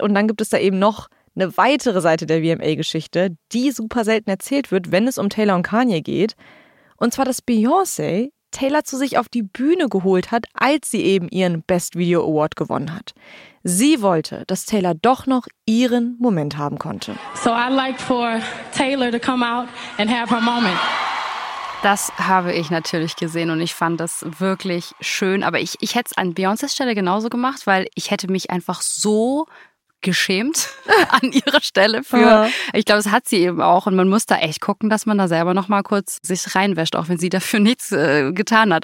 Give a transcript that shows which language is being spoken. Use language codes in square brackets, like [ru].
[de] Und dann gibt es da eben noch eine weitere Seite der VMA-Geschichte, die super selten erzählt wird, wenn es um Taylor und Kanye geht. Und zwar, dass Beyoncé Taylor zu sich auf die Bühne geholt hat, als sie eben ihren Best Video Award gewonnen hat. Sie wollte, dass Taylor doch noch ihren Moment haben konnte. [en] So I'd like for Taylor to come out and have her moment. [de] Das habe ich natürlich gesehen und ich fand das wirklich schön. Aber ich hätte es an Beyoncés Stelle genauso gemacht, weil ich hätte mich einfach so geschämt an ihrer Stelle für. Ja. Ich glaube, das hat sie eben auch und man muss da echt gucken, dass man da selber nochmal kurz sich reinwäscht, auch wenn sie dafür nichts getan hat.